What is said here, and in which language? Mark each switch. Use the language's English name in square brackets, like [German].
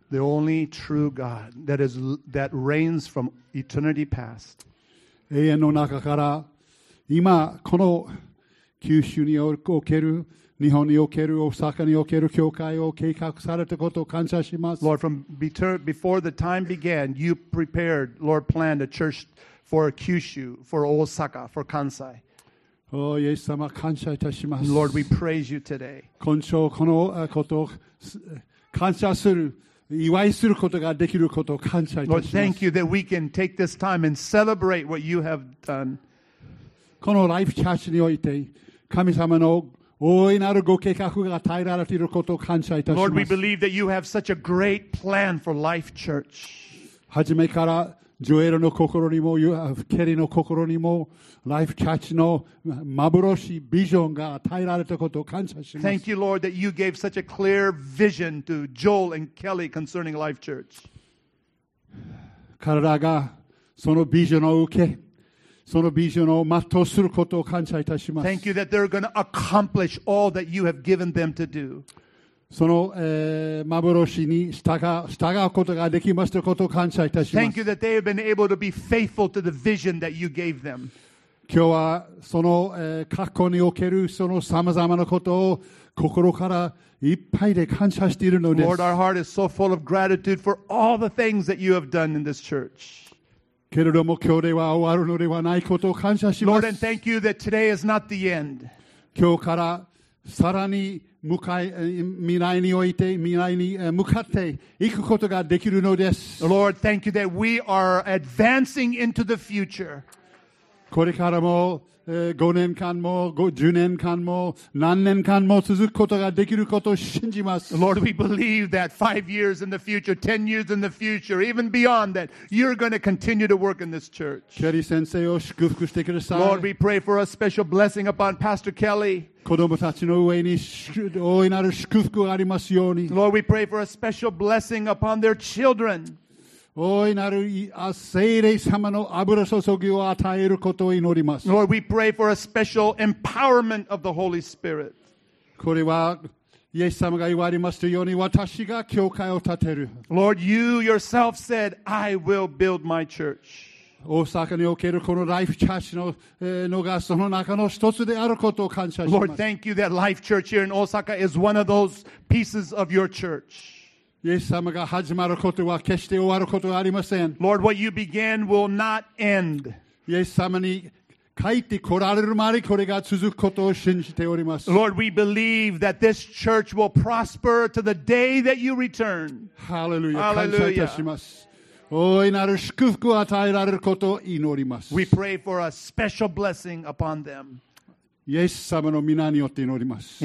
[English] The only true God that reigns from eternity past. [Japanese] 永遠の中から、今、この九州における日本における大阪における教会を計画されたことを感謝します。 [English] Lord, from before the time began, you prepared, Lord, planned a church for Kyushu, for Osaka, for Kansai. [Japanese] Oh, イエス様、感謝いたします。 [English] Lord, we praise you today. [Japanese] 今朝このことを感謝する、祝いすることができることを感謝いたします。 [English] Lord, thank you that we can take this time and celebrate what you have done. [Japanese] このライフチャーチにおいて、神様の大いなるご計画が与えられていることを感謝いたします。 [English] Lord, we believe that you have such a great plan for Life Church. [Japanese] はじめからジョエルの心にも、ケリの心にも、Life Church の幻ビジョンが与えられたことを感謝します。 [English] Thank you, Lord, that you gave such a clear vision to Joel and Kelly concerning Life Church. [Japanese] 体がそのビジョンを受け、そのビジョンを全うすることを感謝いたします。 [English] Thank you that they're going to accomplish all that you have given them to do. [Japanese] その、幻に従うことができましたことを感謝いたします。 [English] Thank you that they have been able to be faithful to the vision that you gave them. [Japanese] 今日はその、過去におけるそのさまざまなことを心からいっぱいで感謝しているのです。 [English] Lord, our heart is so full of gratitude for all the things that you have done in this church. [Japanese] けれども今日では終わるのではないことを感謝します。 [English] Lord, and thank you that today is not the end. [Japanese] 今日からさらに向かい、未来において、未来に向かっていくことができるのです。 [English] Lord, thank you that we are advancing into the future. [Japanese] これからも5年間も10年間も何年間も続くことができることを信じます。 [English] Lord, we believe that 5 years in the future, 10 years in the future, even beyond that, you're going to continue to work in this church. [Japanese] ケリー先生を祝福してください。 [English] Lord, we pray for a special blessing upon Pastor Kelly. [Japanese] 子供たちの上に大いなる祝福がありますように。 [English] Lord, we pray for a special blessing upon their children. [Japanese] 大いなる聖霊様の油注ぎを与えることを祈ります。 [English] Lord, we pray for a special empowerment of the Holy Spirit. [Japanese] これはイエス様が言われましたように私が教会を建てる。 [English] Lord, you yourself said, I will build my church. [Japanese] 大阪におけるこのライフチャーチのがその中の一つであることを感謝します。 [English] Lord, thank you that Life Church here in Osaka is one of those pieces of your church. [Japanese] イエス様が始まることは決して終わることはありません。 [English] Lord, what you began will not end. [Japanese] イエス様に帰ってこられるまでこれが続くことを信じております。 [English] Lord, we believe that this church will prosper to the day that you return. [Japanese] Hallelujah. Hallelujah. 感謝いたします。大いなる祝福を与えられることを祈ります。 [English] We pray for a special blessing upon them. [Japanese] イエス様の皆によって祈ります。